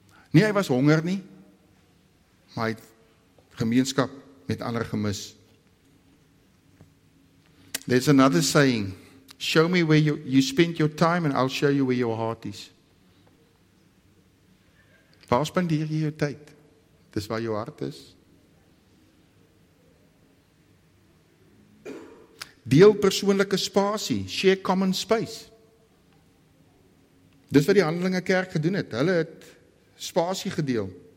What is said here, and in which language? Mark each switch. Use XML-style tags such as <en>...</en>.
<af>Nie hy was honger nie, maar hy het gemeenskap met ander gemis.</af> <en>There's another saying, show me where you spend your time and I'll show you where your heart is.</en> <af>Waar spandeer jy jou tyd? Dis waar jou hart is. Deel persoonlike spasie,</af> <en>share common space.</en> <af>Dis wat die Handelinge Kerk gedoen het. Hulle het spasie gedeel.</af>